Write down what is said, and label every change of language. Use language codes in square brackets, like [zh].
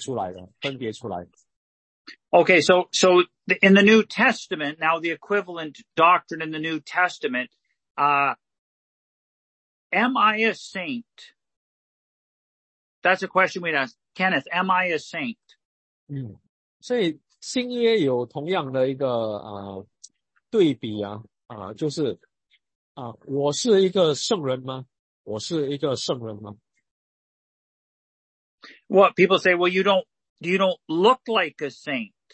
[zh] 重点，第七到第十节，我们底下读的时候，第一点就是神已经把以色列民分别出来了。Okay, [en] so in the New Testament, now the equivalent doctrine in the New Testament, am I a saint? That's a question we'd ask. Kenneth, am I a saint? [zh] 所以 新约有同样的一个对比啊，就是我是一个圣人吗？我是一个圣人吗？ [en] What people say, well, you don't look like a saint.